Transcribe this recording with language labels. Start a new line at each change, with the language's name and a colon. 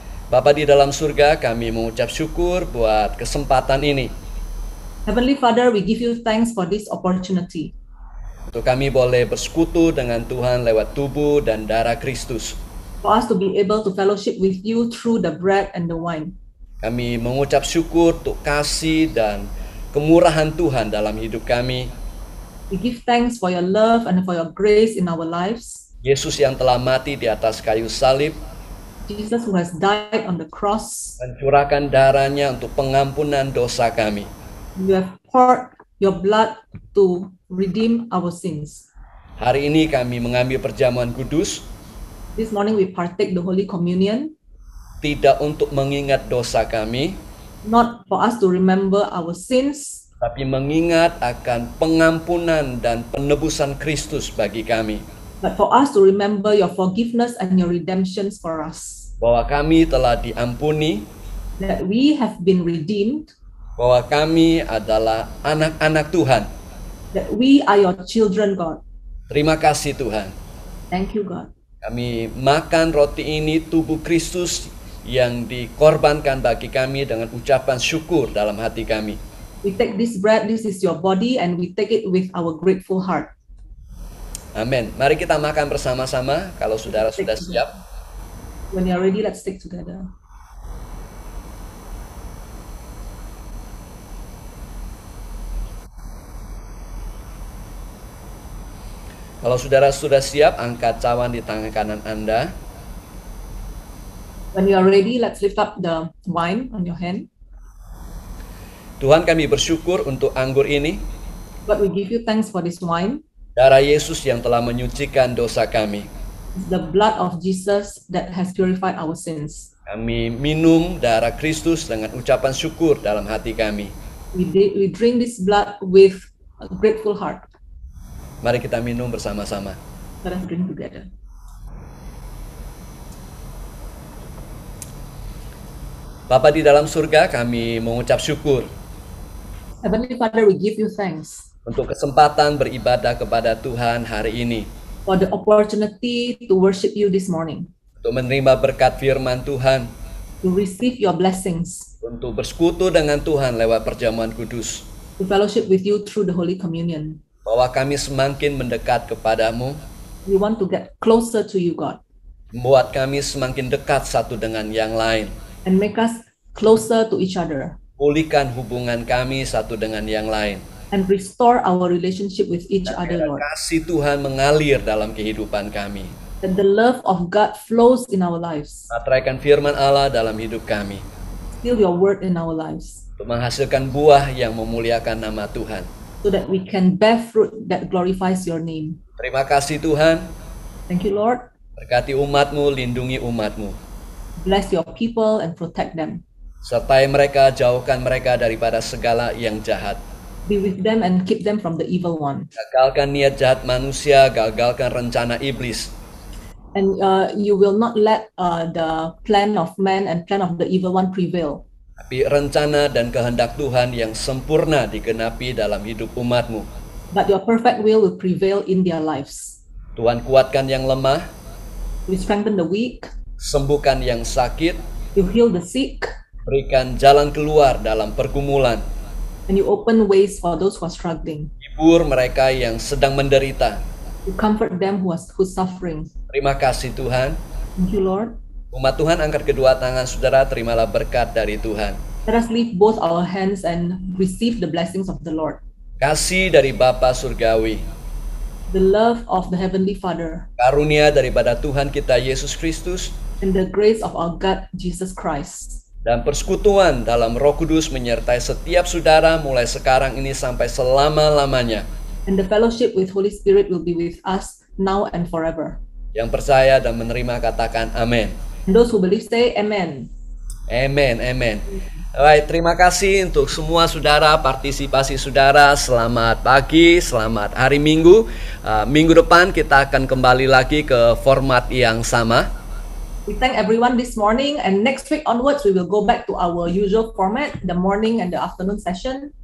Indonesian: Bapa di dalam surga, kami mengucap syukur buat kesempatan ini.
English: Heavenly Father, we give you thanks for this opportunity.
Indonesian: Untuk kami boleh bersekutu dengan Tuhan lewat tubuh dan darah Kristus.
English: For us to be able to fellowship with you through the bread and the wine.
Indonesian: Kami mengucap syukur untuk kasih dan kemurahan Tuhan dalam hidup kami.
English: We give thanks for your love and for your grace in our lives.
Indonesian: Yesus yang telah mati di atas kayu salib,
English: Jesus who has died on the cross,
Indonesian: mencurahkan darahnya untuk pengampunan dosa kami.
English: You have poured your blood to redeem our sins.
Indonesian: Hari ini kami mengambil perjamuan kudus.
English: This morning we partake the Holy Communion.
Indonesian: Tidak untuk mengingat dosa kami,
English: not for us to remember our sins,
Indonesian: tapi mengingat akan pengampunan dan penebusan Kristus bagi kami.
English: But for us to remember your forgiveness and your redemption for us.
Indonesian: Bahwa kami telah diampuni.
English: That we have been redeemed.
Indonesian: Bahwa kami adalah anak-anak Tuhan.
English: That we are your children, God.
Indonesian: Terima kasih Tuhan.
English: Thank you, God.
Indonesian: Kami makan roti ini, tubuh Kristus yang dikorbankan bagi kami dengan ucapan syukur dalam hati kami.
English: We take this bread, this is your body, and we take it with our grateful heart.
Indonesian: Amin. Mari kita makan bersama-sama kalau saudara sudah siap.
English: When you are ready, let's take together.
Indonesian: Kalau saudara sudah siap, angkat cawan di tangan kanan Anda.
English: When you are ready, let's lift up the wine on your hand.
Indonesian: Tuhan, kami bersyukur untuk anggur ini.
English: But we give you thanks for this wine.
Indonesian: Darah Yesus yang telah menyucikan dosa kami.
English: The blood of Jesus that has purified our sins.
Indonesian: Kami minum darah Kristus dengan ucapan syukur dalam hati kami.
English: We drink this blood with a grateful heart.
Indonesian: Mari kita minum bersama-sama.
English: Let us drink together.
Indonesian: Bapa di dalam surga, kami mengucap syukur.
English: Heavenly Father, we give you thanks.
Indonesian: Untuk kesempatan beribadah kepada Tuhan hari ini.
English: For the opportunity to worship you this morning.
Indonesian: Untuk menerima berkat firman Tuhan.
English: To receive your blessings.
Indonesian: Untuk bersekutu dengan Tuhan lewat perjamuan kudus.
English: To fellowship with you through the Holy Communion.
Indonesian: Bahwa kami semakin mendekat kepadamu.
English: We want to get closer to you, God.
Indonesian: Buat kami semakin dekat satu dengan yang lain.
English: And make us closer to each other.
Indonesian: Pulihkan hubungan kami satu dengan yang lain.
English: And restore our relationship with each other, Lord.
Indonesian: Kasih Tuhan mengalir dalam kehidupan kami.
English: That the love of God flows in our lives.
Indonesian: Patraikan firman Allah dalam hidup kami.
English: Still your word in our lives.
Indonesian: Untuk menghasilkan buah yang memuliakan nama Tuhan.
English: So that we can bear fruit that glorifies your name.
Indonesian: Terima kasih Tuhan.
English: Thank you, Lord.
Indonesian: Berkati umat-Mu, lindungi umat-Mu.
English: Bless your people and protect them.
Indonesian: Sertai mereka, jauhkan mereka daripada segala yang jahat.
English: Be with them and keep them from the evil one.
Indonesian: Gagalkan niat jahat manusia, gagalkan rencana iblis.
English: And you will not let the plan of man and plan of the evil one prevail.
Indonesian: Tapi rencana dan kehendak Tuhan yang sempurna digenapi dalam hidup umat-Mu.
English: But your perfect will prevail in their lives.
Indonesian: Tuhan, kuatkan yang lemah.
English: We strengthen the weak.
Indonesian: Sembuhkan yang sakit.
English: You heal the sick.
Indonesian: Berikan jalan keluar dalam pergumulan.
English: And you open ways for those who are struggling.
Indonesian: Hibur mereka yang sedang menderita.
English: You comfort them who are suffering.
Indonesian: Terima kasih Tuhan.
English: Thank you, Lord.
Indonesian: Umat Tuhan, angkat kedua tangan saudara, terimalah berkat dari Tuhan.
English: Let us lift both our hands and receive the blessings of the Lord.
Indonesian: Kasih dari Bapa Surgawi.
English: The love of the Heavenly Father.
Indonesian: Karunia daripada Tuhan kita Yesus Kristus.
English: And the grace of our God Jesus Christ.
Indonesian: Dan persekutuan dalam Roh Kudus menyertai setiap saudara mulai sekarang ini sampai selama-lamanya.
English: And the fellowship with Holy Spirit will be with us now and forever.
Indonesian: Yang percaya dan menerima katakan amin.
English: Those who believe say amen. Amen, amen.
Indonesian: Baik, terima kasih untuk semua saudara, partisipasi saudara. Selamat pagi, selamat hari Minggu. Minggu depan kita akan kembali lagi ke format yang sama.
English: We thank everyone this morning and next week onwards we will go back to our usual format, the morning and the afternoon session.